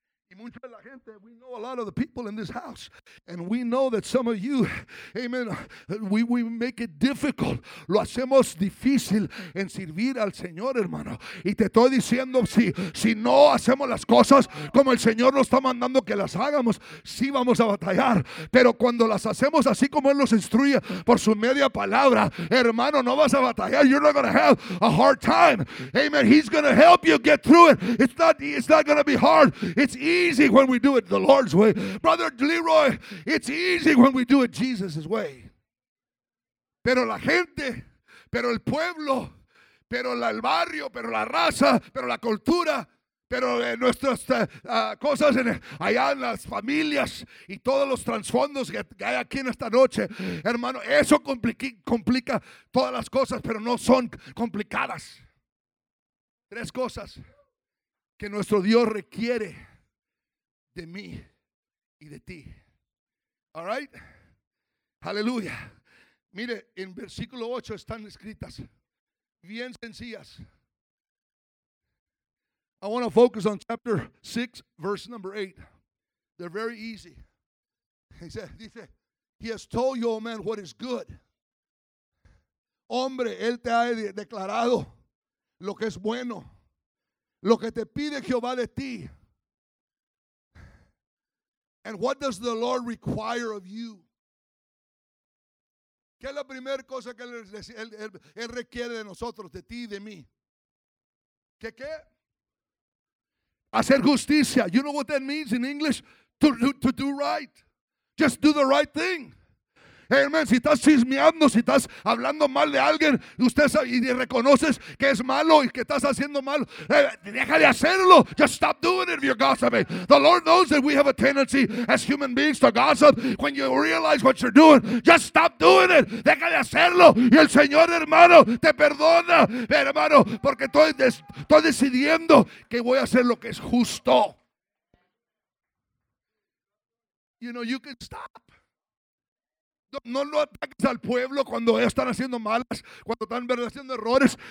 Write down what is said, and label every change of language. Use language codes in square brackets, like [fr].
[es] Y mucha de la gente, [en] we know a lot of the people in this house. And we know that some of you, amen, we make it difficult. [es] Lo hacemos difícil en servir al Señor, hermano. Y te estoy diciendo, si no hacemos las cosas como el Señor nos está mandando que las hagamos, sí vamos a batallar. Pero cuando las hacemos así como Él nos instruye por su media palabra, hermano, no vas a batallar. [en] You're not going to have a hard time. Amen. He's going to help you get through it. It's not going to be hard. It's easy. Easy when we do it the Lord's way. Brother Leroy, it's easy when we do it Jesus' way. [es] Pero la gente, pero el pueblo, pero el barrio, pero la raza, pero la cultura, pero nuestras cosas allá en las familias y todos los trasfondos que hay aquí en esta noche, hermano, eso complica todas las cosas, pero no son complicadas. Tres cosas que nuestro Dios requiere de mí. y de ti. [en] All right? [es] Aleluya. Mire, en versículo 8 están escritas bien sencillas. [en] I want to focus on chapter 6, verse number 8. They're very easy. Dice, he has told you, oh man, what is good. [es] Hombre, él te ha declarado lo que es bueno. Lo que te pide Jehová de ti. [en] And what does the Lord require of you? [es] ¿Qué es la primera cosa que él requiere de nosotros, de ti y de mí? ¿Qué? Hacer justicia. [en] You know what that means in English? To do right. Just do the right thing. Hey, amen. [es] Si estás chismeando, si estás hablando mal de alguien, y reconoces que es malo y que estás haciendo mal, deja de hacerlo. [en] Just stop doing it if you're gossiping. The Lord knows that we have a tendency as human beings to gossip. When you realize what you're doing, just stop doing it. [es] Deja de hacerlo. Y el Señor, hermano, te perdona, hermano, porque estoy decidiendo que voy a hacer lo que es justo. [en] You know, you can stop. [es] No lo ataques al pueblo cuando están haciendo malas, cuando están haciendo errores.